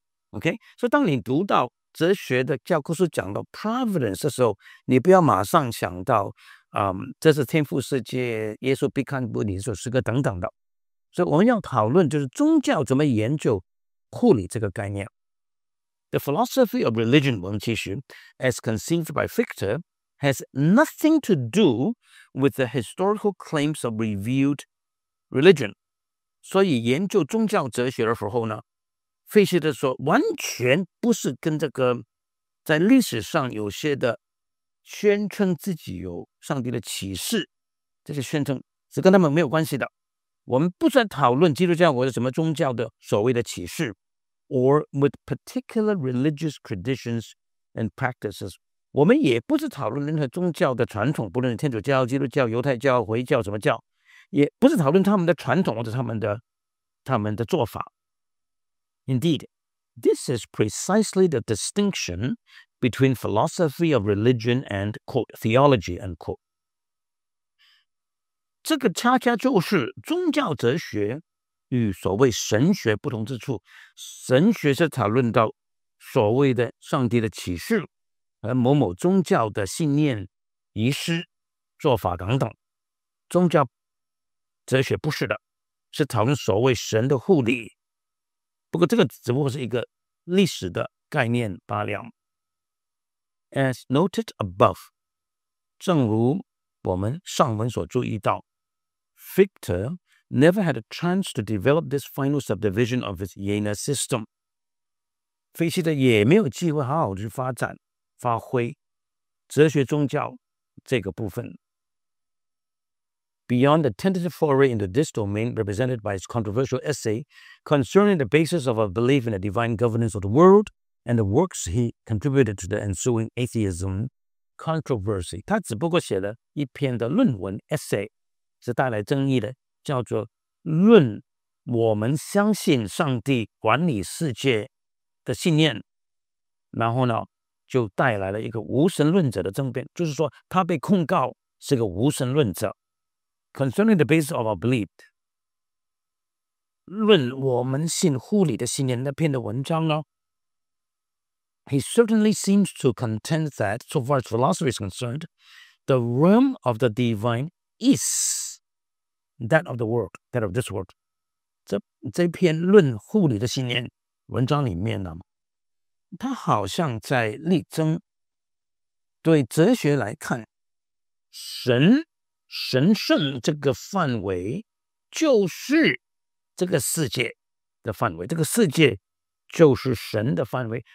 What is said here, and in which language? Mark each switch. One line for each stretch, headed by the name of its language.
Chinese: OK， 所以当你读到哲学的教科书讲到 providence 的时候，你不要马上想到这是天父世界，耶稣必看不你所是个等等的。所以我们要讨论就是宗教怎么研究护理这个概念。
English: The philosophy of religion,
Chinese: 我们继续,
English: as conceived by Fichte, has nothing to do with the historical claims of revealed religion.
Chinese: 所以研究宗教哲学的时候呢，费希特说完全不是跟这个在历史上有些的宣称自己有上帝的启示，这些宣称是跟他们没有关系的。我们不在讨论基督教或者什么宗教的所谓的启示。
English: Or with particular religious traditions and practices.
Chinese: 我们也不是讨论任何宗教的传统，不论天主教、基督教、犹太教、回教什么教，也不是讨论他们的传统或者他们的做法。
English: Indeed, this is precisely the distinction between philosophy of religion and, quote, theology, unquote.
Chinese: 这个恰恰就是宗教哲学与所谓神学不同之处。神学是讨论到所谓的上帝的启示，而某某宗教的信念、仪式、做法等等，宗教哲学不是的，是讨论所谓神的护理。不过这个只不过是一个历史的概念罢了。
English: As noted above，
Chinese: 正如我们上文所注意到
English: ，Fichte never had a chance to develop this final subdivision of his Jena system.
Chinese: 费希特也没有机会好好去发展、发挥哲学宗教这个部分。
English: Beyond the tentative foray into this domain represented by his controversial essay concerning the basis of a belief in the divine governance of the world and the works he contributed to the ensuing atheism controversy.
Chinese: 他只不过写了一篇的论文 essay， 是带来争议的，叫做论我们相信上帝管理世界的信念，然后呢就带来了一个无神论者的政变，就是说他被控告是个无神论者。
English: Concerning the basis of our belief，
Chinese: 论我们信乎理的信念，那篇的文章呢，
English: He certainly seems to contend that so far as philosophy is concerned the realm of the divine is that of the world， that of this world。
Chinese: 这篇论乎理的信念文章里面呢，他好像在力争对哲学来看神圣这个范围就是这个世界的范围，这个世界就是神的范围。